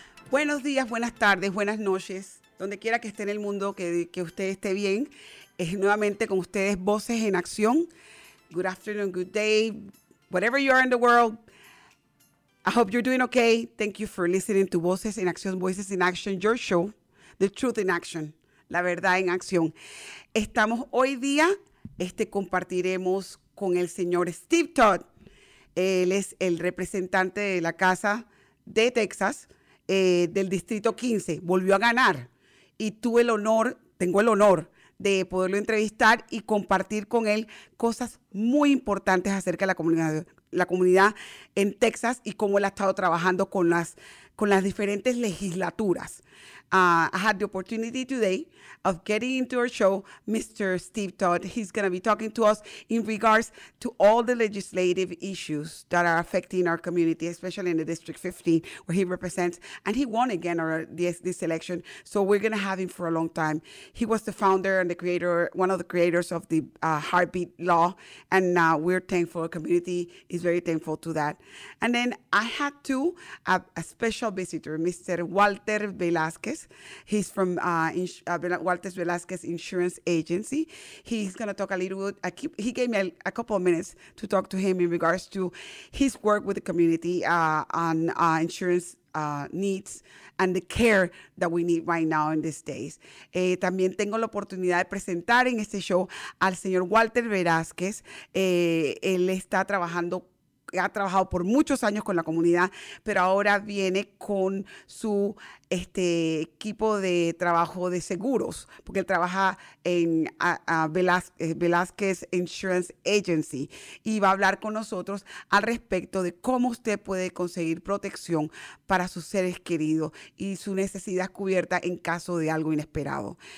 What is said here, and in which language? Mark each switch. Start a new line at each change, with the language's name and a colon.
Spanish: Buenos días, buenas tardes, buenas noches, donde quiera que esté en el mundo, que usted esté bien. Es nuevamente con ustedes Voces en Acción.
English: Good afternoon, good day, whatever you are in the world. I hope you're doing okay. Thank you for listening to Voces en Acción, Voices in Action, your show, The Truth in Action,
Spanish: la verdad en acción. Estamos hoy día, compartiremos con el señor Steve Toth. Él es el representante de la Casa de Texas, del Distrito 15, volvió a ganar y tengo el honor de poderlo entrevistar y compartir con él cosas muy importantes acerca de la comunidad en Texas y cómo él ha estado trabajando con las diferentes legislaturas.
English: I had the opportunity today of getting into our show, Mr. Steve Toth. He's going to be talking to us in regards to all the legislative issues that are affecting our community, especially in the District 15, where he represents. And he won again this election, so we're going to have him for a long time. He was the founder and one of the creators of the heartbeat law, and we're thankful. Our community is very thankful to that. And then I had a special visitor, Mr. Walter Velazquez. He's from Walter Velazquez Insurance Agency. He's going to talk a little bit. He gave me a couple of minutes to talk to him in regards to his work with the community on insurance needs and the care that we need right now in these days.
Spanish: También tengo la oportunidad de presentar en este show al señor Walter Velazquez. Él está trabajando. Ha trabajado por muchos años con la comunidad, pero ahora viene con su equipo de trabajo de seguros, porque él trabaja en Velazquez Insurance Agency y va a hablar con nosotros al respecto de cómo usted puede conseguir protección para sus seres queridos y su necesidad cubierta en caso de algo inesperado.